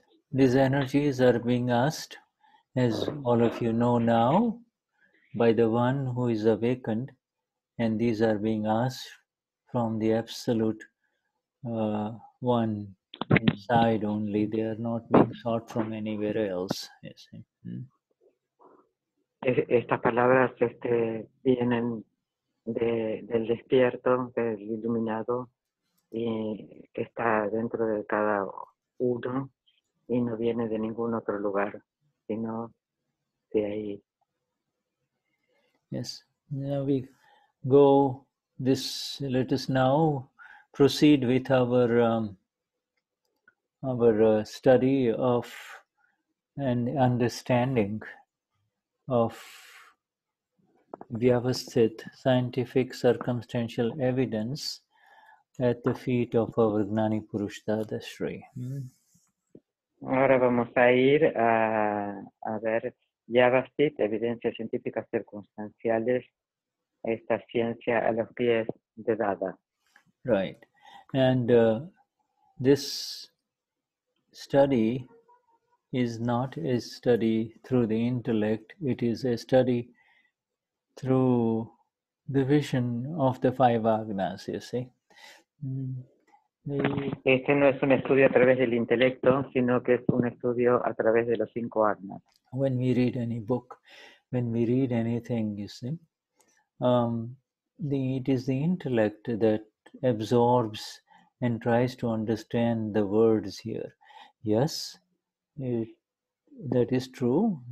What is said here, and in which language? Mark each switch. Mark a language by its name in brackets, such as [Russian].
[English] These energies are being asked, as all of you know now, by the one who is awakened, and these are being asked from the absolute one inside only. They are not being sought from anywhere else. Yes. [Spanish] Estas palabras vienen del despierto, del iluminado, y que está dentro de cada uno. Y no viene de ningún otro lugar, sino de ahí. [English] Yes. Now we go, let us now proceed with our study of and understanding of Vyavasthit, scientific circumstantial evidence at the feet of our Gnani Purush Dadashri. [Spanish] Ahora vamos a ir a ver Vyavasthit, evidencias científicas circunstanciales, esta ciencia a los pies de Dada. [English] Right. And this study is not a study through the intellect. It is a study through the vision of the five Agnas, you see. [Spanish] Este no es un estudio a través del intelecto, sino que es un estudio a través de los cinco Agnas. [English] When we read any book, when we read anything, you see, it is the intellect that absorbs and tries to understand the words here. Yes, that is true.